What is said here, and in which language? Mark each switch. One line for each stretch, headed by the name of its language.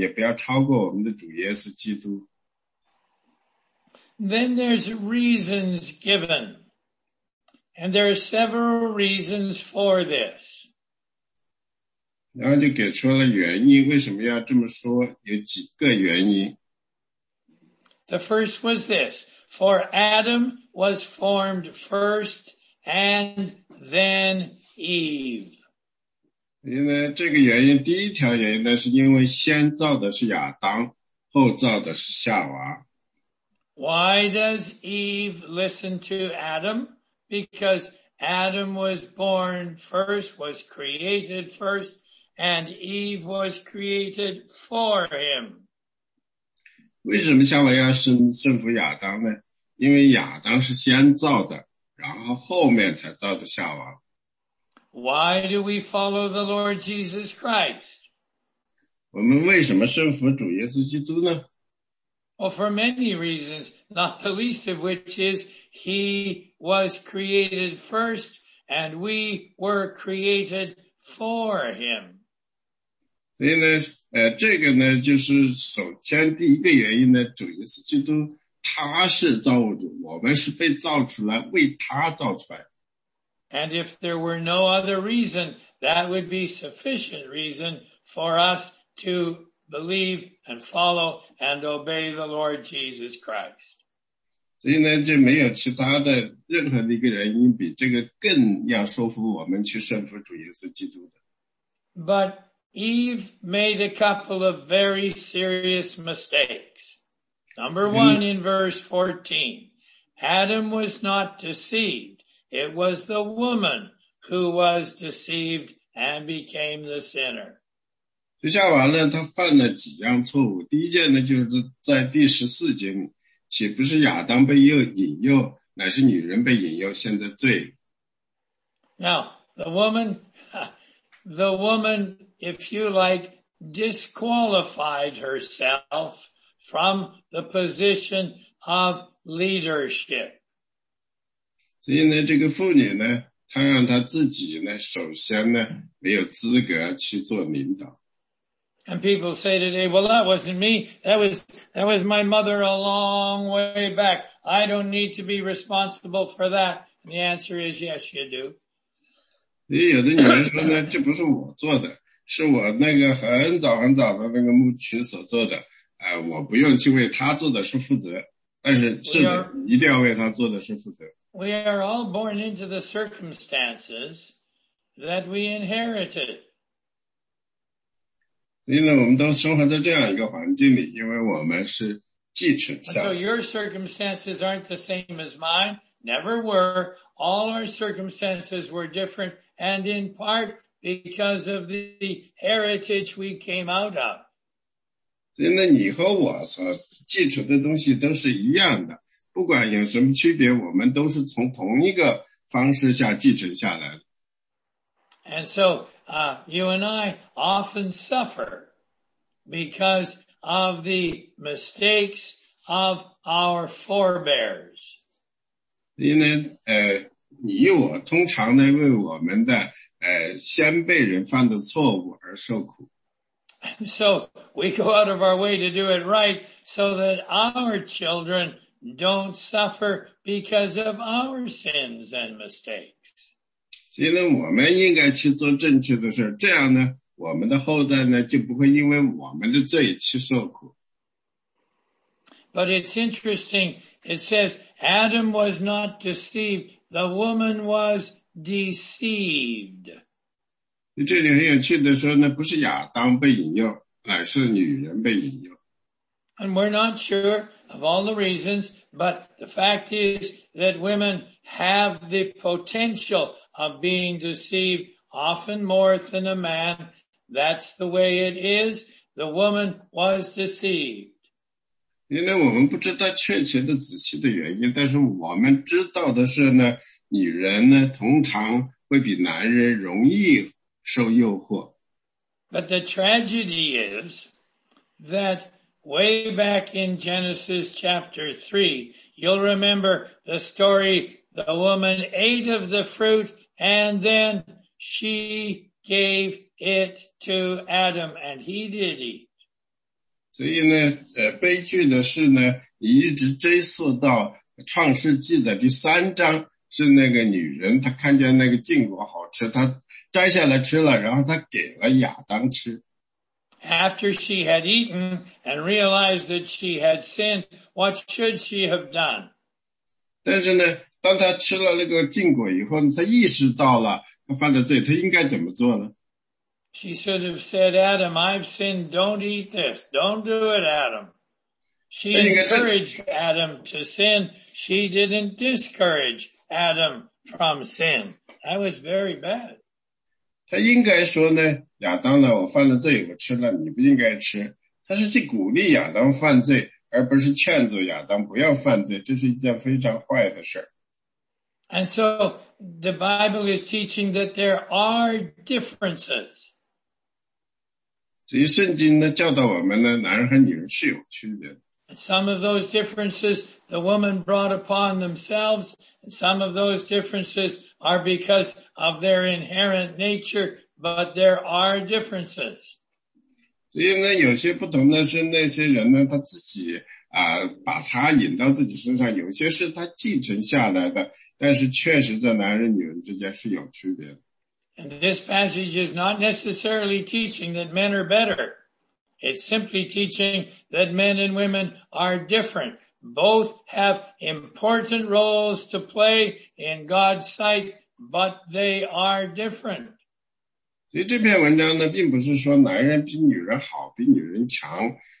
Chinese: 所以呢，我们也不是说要去我们的辖管，也不要超过我们的主耶稣基督。
English: Then there's reasons given, and there are several reasons for this.
Chinese: 然后就给出了原因，为什么要这么说？有几个原因。
English: The first was this, for Adam was formed first and then Eve.
Chinese: 因为这个原因，第一条原因呢，是因为先造的是亚当，后造的是夏娃。
English: Why does Eve listen to Adam? Because Adam was born first, was created first, and Eve was created for him.
Chinese: 为什么夏娃要顺服亚当呢?因为亚当是先造的, 然后后面才造的夏娃。
English: Why do we follow the Lord Jesus Christ?
Chinese: 我们为什么顺服主耶稣基督呢？
English: Well, for many reasons, not the least of which is he was created first and we were created for him.
Chinese: 所以呢，这个呢，就是首先第一个原因呢，主耶稣基督他是造物主，我们是被造出来，为他造出来。
English: And if there were no other reason, that would be sufficient reason for us to believe and follow and obey the Lord Jesus Christ.
Chinese: 所以呢，就没有其他的任何的一个原因比这个更要说服我们去顺服主耶稣基督的。
English: But Eve made a couple of very serious mistakes. Number one, in verse 14, Adam was not deceived. It was the woman who was deceived and became the sinner.
Chinese: 接下来呢，他犯了几样错误。第一件呢，就是在第十四节，岂不是亚当被引诱，乃是女人被引诱，现在罪。
English: Now, the woman, if you like, disqualified herself from the position of leadership.
Chinese: 所以呢，这个妇女呢，她让她自己呢，首先呢，没有资格去做领导。
English: And people say today, well, that wasn't me. That was my mother a long way back. I don't need to be responsible for that. And the answer is yes, you do.
Chinese: 所以有的女人说呢，这不是我做的，是我那个很早很早的那个牧区所做的。我不用去为她做的是负责，但是是的，一定要为她做的是负责。
English: We are all born into the circumstances that we inherited.
Chinese: 所以呢，我们都生活在这样一个环境里，因为我们是继承下来。
English: So your circumstances aren't the same as mine, never were. All our circumstances were different, and in part because of the heritage we came out of.
Chinese: 所以呢，你和我所继承的东西都是一样的。不管有什么区别，我们都是从同一个方式下继承下来的。
English: And so, you and I often suffer because of the mistakes of our forebears.
Chinese: 因为你我通常呢为我们的先辈人犯的错误而受苦。
English: So we go out of our way to do it right, so that our children. Don't suffer because of our sins and mistakes.
Chinese: 所以呢，我们应该去做正确的事，这样呢，我们的后代呢，就不会因为我们的罪去受苦。
English: But it's interesting, it says, Adam was not deceived, the woman was deceived.
Chinese: 这里很有趣的说呢，不是亚当被引诱，乃是女人被引诱。
English: And we're not sure of all the reasons, but the fact is that women have the potential of being deceived often more than a man. That's the way it is. The woman was deceived.
Chinese: 因为我们不知道确切的仔细的原因，但是我们知道的是呢，女人呢，通常会比男人容易受诱惑。
English: But the tragedy is that way back in Genesis chapter 3, you'll remember the story, the woman ate of the fruit and then she gave it to Adam and he did eat.
Chinese: 所以呢，悲剧的是呢，一直追溯到创世纪的第三章，是那个女人，她看见那个禁果好吃，她摘下来吃了，然后她给了亚当吃。
English: After she had eaten and realized that she had sinned, what should she have done?
Chinese: 但是呢，当她吃了那个禁果以后，她意识到了她犯了罪，她应该怎么做呢？
English: She should have said, Adam, I've sinned, don't eat this, don't do it, Adam. She encouraged Adam to sin, she didn't discourage Adam from sin. That was very bad.
Chinese: 他应该说呢，亚当呢，我犯了罪，我吃了，你不应该吃。他是去鼓励亚当犯罪，而不是劝阻亚当不要犯罪，这是一件非常坏的事。
English: And so the Bible is teaching that there are differences.
Chinese: 所以圣经呢, 教导我们呢, 男人和女人是有区别的。
English: Some of those differences the woman brought upon themselves. Some of those differences are because of their inherent nature, but there are differences.
Chinese: 所以呢, 有些不同的是那些人呢, 他自己, 把他引到自己身上, 有些是他继承下来的, 但是确实在男人女人之间是有区别的。
English: And this passage is not necessarily teaching that men are better. It's simply teaching that men and women are different. Both have important roles to play in God's sight, but they are different.
Chinese: 所以这篇文章呢, 并不是说男人比女人好,比女人强。